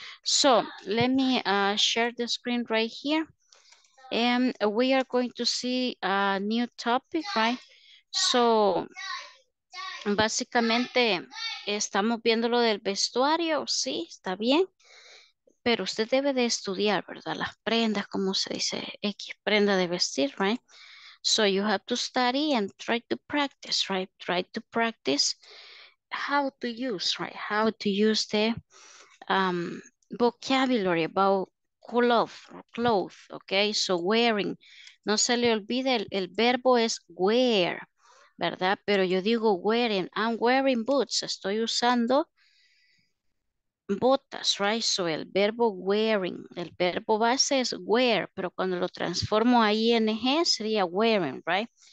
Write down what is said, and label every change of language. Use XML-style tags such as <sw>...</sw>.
<en>So, let me share the screen right here. And we are going to see a new topic, right?</en> <es>So, básicamente, estamos viendo lo del vestuario, sí, está bien. Pero usted debe de estudiar, ¿verdad? Las prendas, como se dice, X prenda de vestir, right?</es> <en>So, you have to study and try to practice, right? Try to practice. How to use, right? How to use the vocabulary about cloth, okay?</en> <es>So wearing, no se le olvide, el verbo es wear, ¿verdad? Pero yo digo wearing,</es> <en>I'm wearing boots,</en> <es>estoy usando botas, right? So el verbo wearing, el verbo base es wear, pero cuando lo transformo a ing sería wearing, right?</es>